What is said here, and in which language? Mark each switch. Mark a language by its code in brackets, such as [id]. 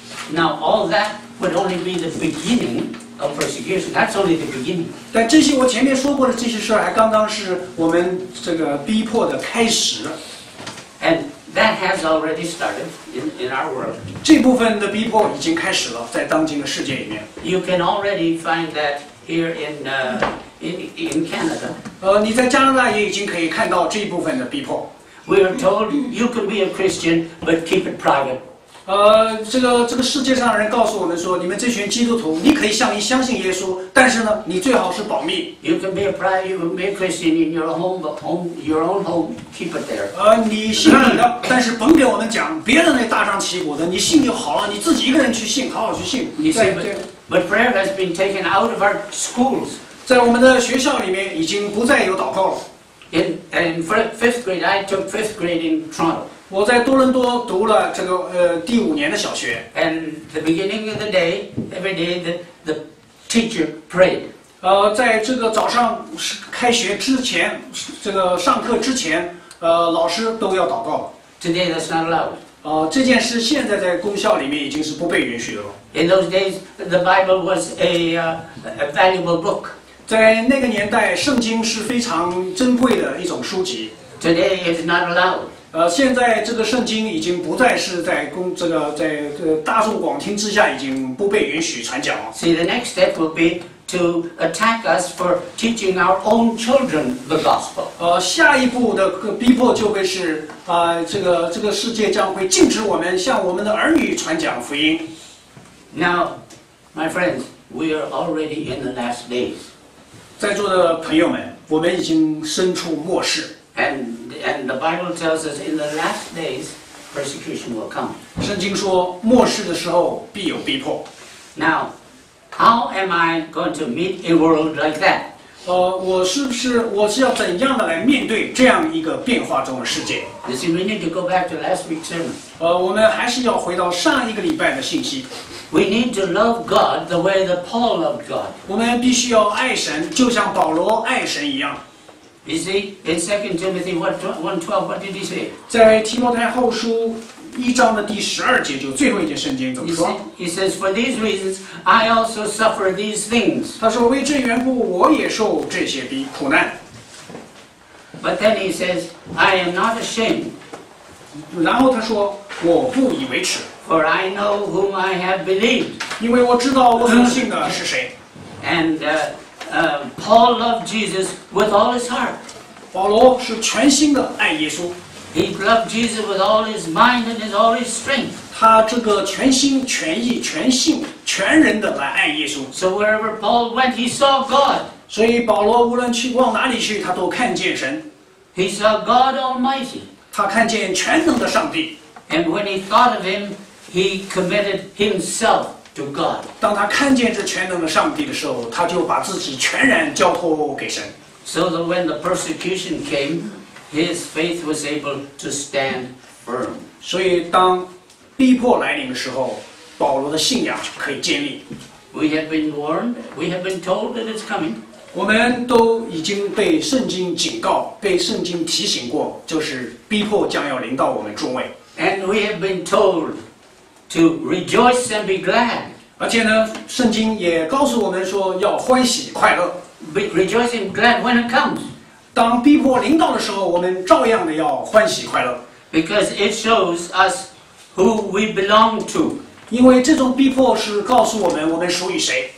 [en] Now all that would only be the beginning. Of persecution, that's only the beginning. [zh] 但这些我前面说过的这些事还刚刚是我们这个逼迫的开始。 [en] And that has already started in our world. [zh] 这部分的逼迫已经开始了，在当今的世界里面。 [en] You can already find that here in Canada. [zh] 你在加拿大也已经可以看到这部分的逼迫。 [en] We are told you can be a Christian, but keep it private. [zh] 这个世界上的人告诉我们说，你们这群基督徒，你可以相信耶稣，但是呢，你最好是保密。 [en] You can be a private, you can be a Christian in your home, but home your own home, keep it there. [zh] 你信你的，但是甭给我们讲别人那大张旗鼓的，你信就好了，你自己一个人去信，好好去信。 [en] But prayer has been taken out of our schools. [zh] 在我们的学校里面已经不再有祷告了。 [en] In fifth grade, I took fifth grade in Toronto. [zh] 我在多伦多读了这个第五年的小学。 [en] And the beginning of the day, every day the teacher prayed. [zh] 在这个早上开学之前，这个上课之前，老师都要祷告。 [en] Today that's not allowed. [zh] 这件事现在在公校里面已经是不被允许了。 [en] In those days, the Bible was a valuable book. [zh] 在那个年代，圣经是非常珍贵的一种书籍。 [en] Today it's not allowed. [zh] 现在这个圣经已经不再是在公这个在大众广听之下已经不被允许传讲了。 [en] See, the next step will be to attack us for teaching our own children the gospel. [zh] 下一步的逼迫就会是这个世界将会禁止我们向我们的儿女传讲福音。 [en] Now, my friends, we are already in the last days. [zh] 在座的朋友们，我们已经身处末世。 [en] And the Bible tells us in the last days, persecution will come. [zh] 圣经说，末世的时候必有逼迫。 [en] Now, how am I going to meet a world like that? [zh] 我是要怎样的来面对这样一个变化中的世界？ [en] You see, we need to go back to last week's sermon. [zh] 我们还是要回到上一个礼拜的信息。 [en] We need to love God the way that Paul loved God. [zh] 我们必须要爱神，就像保罗爱神一样。 [en] You see, in 2 Timothy 1:12, what did he say? [zh] 在提摩太后书一章的第十二节，就最后一节圣经怎么说？ [en] He says, "For these reasons, I also suffer these things." [zh] 他说，为这缘故，我也受这些逼苦难。 [en] But then he says, "I am not ashamed." [zh] 然后他说，我不以为耻。 [en] For I know whom I have believed. [zh] 因为我知道我所信的是谁。 [en] And Paul loved Jesus with all his heart. [zh] 保罗是全心的爱耶稣。 [en] He loved Jesus with all his mind and his all his strength. [zh] 他这个全心全意全性全人的来爱耶稣。 [en] So wherever Paul went, he saw God. [zh] 所以保罗无论去往哪里去，他都看见神。 [en] He saw God Almighty. [zh] 他看见全能的上帝。 [en] And when he thought of him, he committed himself to God. [zh] 当他看见这全能的上帝的时候，他就把自己全然交托给神。 [en] So that when the persecution came, his faith was able to stand firm. [zh] 所以当逼迫来临的时候，保罗的信仰可以建立。 [en] We have been warned. We have been told that it's coming. [zh] 我们都已经被圣经警告，被圣经提醒过，就是逼迫将要临到我们众位。 [en] And we have been told to rejoice and be glad. [zh] 而且呢，圣经也告诉我们说要欢喜快乐。 [en] Be rejoicing glad when it comes. [zh] 当逼迫临到的时候，我们照样的要欢喜快乐。 [en] Because it shows us who we belong to. [zh] 因为这种逼迫是告诉我们我们属于谁。